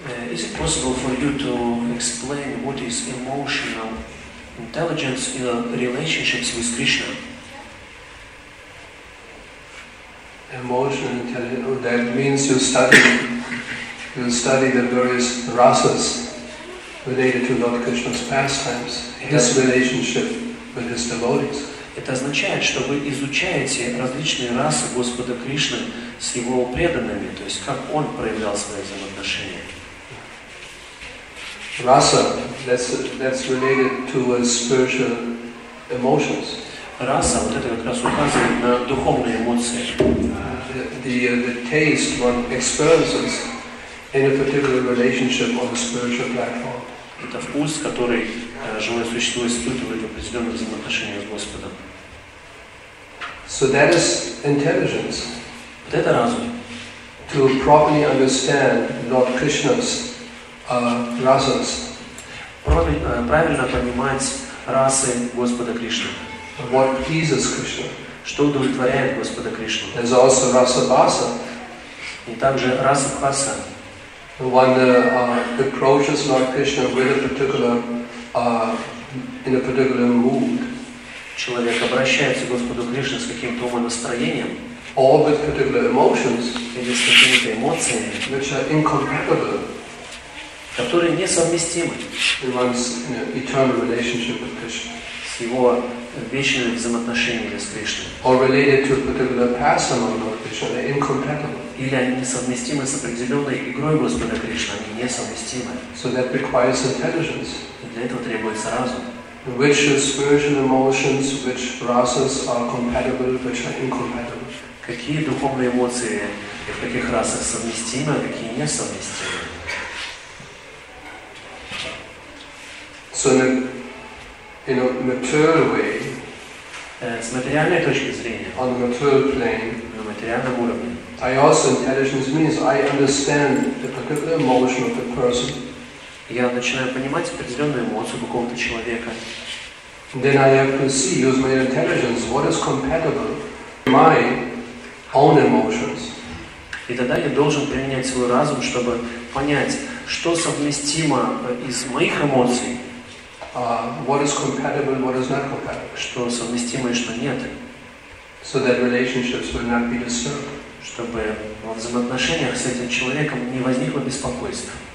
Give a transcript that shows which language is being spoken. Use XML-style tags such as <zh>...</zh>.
<en>Is it possible for you to explain what is emotional intelligence in relationships with Krishna? Emotional intelligence, that means you study the various rasas related to Lord Krishna's pastimes, his relationship with his devotees.</en> <ru>Это означает, что вы изучаете различные расы Господа Кришны с его преданными, то есть как он проявлял свои взаимоотношения.</ru> <en>Rasa, that's related to spiritual emotions.</en> <ru>Rasa, вот это как раз указывает на духовные эмоции.</ru> <en>The taste one experiences in a particular relationship on a spiritual platform.</en> <ru>Это вкус, который живое существо испытывает в определенных взаимоотношениях с Господом.</ru> <en>So that is intelligence.</en> <ru>Вот это разум.</ru> <en>To properly understand Lord Krishna's rasas.</en> <ru>Правильно понимать расы Господа Кришны.</ru> <en>What pleases Krishna.</en> <ru>Что удовлетворяет Господа Кришну.</ru> <en>There's also rasa basa.</en> <ru>И также раса баса.</ru> <en>When approaches Lord Krishna with a particular in a particular mood.</en> <ru>Человек обращается к Господу Кришне с каким-то умонастроением.</ru> <en>Or with particular emotions.</en> <ru>Или с какими-то эмоциями.</ru> <en>Which are incompatible.</en> <ru>Которые несовместимы</ru> <en>one's, eternal relationship with Krishna.</en> <ru>С его вечными взаимоотношениями с Кришной.</ru> <en>Or related to a particular pastime of Lord Krishna, they're incompatible.</en> <ru>Или они несовместимы с определенной игрой Господа Кришны, они несовместимы.</ru> <en>So that requires intelligence.</en> <ru>И для этого требуется разум.</ru> <en>Which spiritual emotions, which rasas are compatible, which are incompatible.</en> <ru>Какие духовные эмоции в каких расах совместимы, а какие несовместимы.</ru> <en>So in a material way,</en> <ru>с материальной точки зрения,</ru> <en>on the material plane,</en> <ru>на материальном уровне,</ru> <en>I also intelligence means I understand the particular emotion of the person.</en> <ru>Я начинаю понимать определенную эмоцию какого-то человека.</ru> <en>Then I have to see, use my intelligence, what is compatible with my own emotions.</en> <ru>И тогда я должен применять свой разум, чтобы понять, что совместимо из моих эмоций.</ru> <en>What is compatible, what is not compatible.</en> <ru>Что совместимо и что нет.</ru> <en>So that relationships will not be disturbed.</en> <ru>Чтобы во взаимоотношениях с этим человеком не возникло беспокойства.</ru>